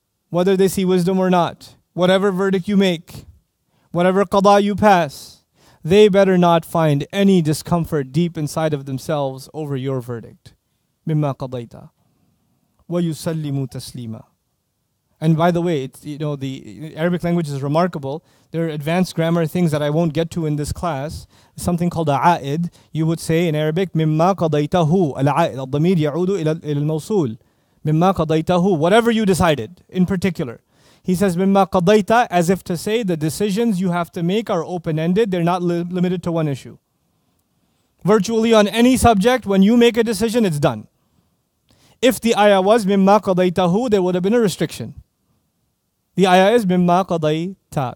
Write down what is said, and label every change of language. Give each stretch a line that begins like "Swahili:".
English: Whether they see wisdom or not. Whatever verdict you make, whatever qada you pass, they better not find any discomfort deep inside of themselves over your verdict.
Arabic: مِمَّا قَضَيْتَ وَيُسَلِّمُوا تَسْلِيمًا.
English: And by the way, the Arabic language is remarkable. There are advanced grammar things that I won't get to in this class. Something called a a'id. You would say in Arabic,
Arabic: مِمَّا قَضَيْتَهُ الْعَائِدُ الضَّمِيرُ يَعُودُ إِلَى الْمَوْصُولِ. مِمَّا قَضَيْتَهُ,
English: whatever you decided in particular. He says,
Arabic: مِمَّا قَضَيْتَ,
English: as if to say the decisions you have to make are open-ended. They're not limited to one issue. Virtually on any subject, when you make a decision, it's done. If the ayah was
Arabic: مِمَّا قَضَيْتَهُ,
English: there would have been a restriction. The ayah is
Arabic: مِمَّا قَضَيْتَ.